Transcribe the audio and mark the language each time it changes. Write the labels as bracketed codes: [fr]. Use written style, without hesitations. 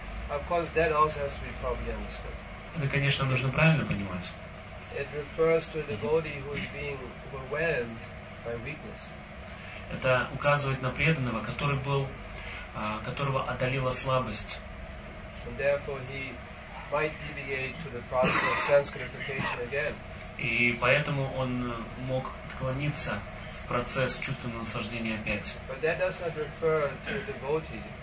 [en] Of course, that also has to be properly understood. [ru] Это, конечно, нужно правильно понимать. [en] It refers to a devotee who is being overwhelmed by weakness. [ru] Это указывает на преданного, который был, которого одолела слабость. [en] And therefore he might deviate to the process of sense gratification again. [ru] И поэтому он мог отклониться в процесс чувственного наслаждения опять. [en] But that does not refer to a devotee.